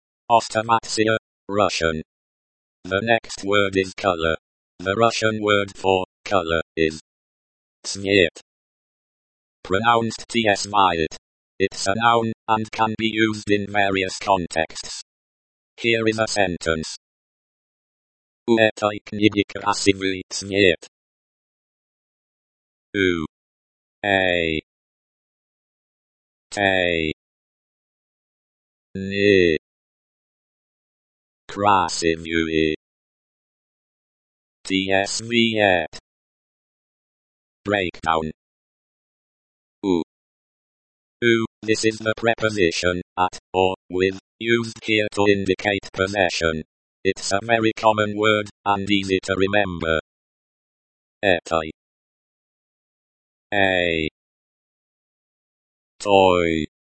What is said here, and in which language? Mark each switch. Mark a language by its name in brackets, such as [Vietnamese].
[English] Ostamatsia, Russian. The next word is color. The Russian word for color is цвет. Pronounced цвет. It's a noun and can be used in various contexts. Here is a sentence. [Russian] У этой книги красивый цвет. У этой книги красивый цвет. [English] Breakdown. У, this is the preposition, at, or, with, used here to indicate possession. It's a very common word, and easy to remember. [Russian] Этой. Эй. Той.